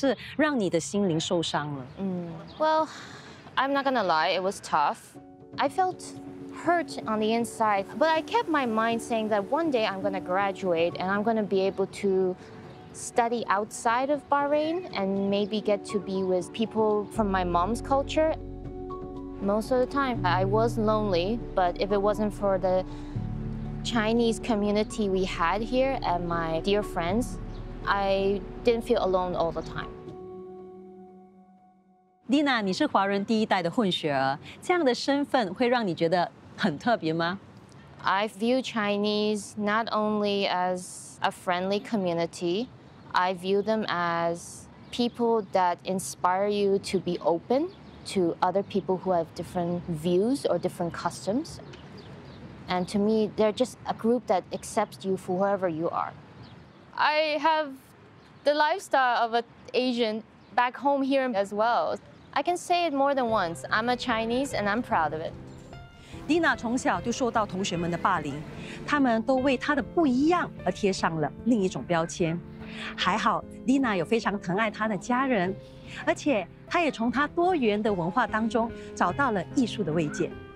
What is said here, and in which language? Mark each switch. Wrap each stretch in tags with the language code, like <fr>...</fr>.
<zh>听你这么解释哦，听起来他已经偏向于霸凌了，比较像是让你的心灵受伤了。</zh> <en>Well, I'm not gonna lie, it was tough. I felt hurt on the inside, but I kept my mind saying that one day I'm gonna graduate and I'm gonna be able to study outside of Bahrain and maybe get to be with people from my mom's culture. Most of the time, I was lonely, but if it wasn't for the Chinese community we had here and my dear friends, I didn't feel alone all the time.</en> <zh>Dina, 你是华人第一代的混血儿，这样的身份会让你觉得很特别吗？</zh> <en>I view Chinese not only as a friendly community, I view them as people that inspire you to be open to other people who have different views or different customs. And to me, they're just a group that accepts you for whoever you are. I have the lifestyle of an Asian back home here as well. I can say it more than once. I'm a Chinese and I'm proud of it.</en> <zh>Dina 从小就受到同学们的霸凌，他们都为她的不一样而贴上了另一种标签。还好 ，Dina 有非常疼爱她的家人，而且她也从她多元的文化当中找到了艺术的慰藉。</zh>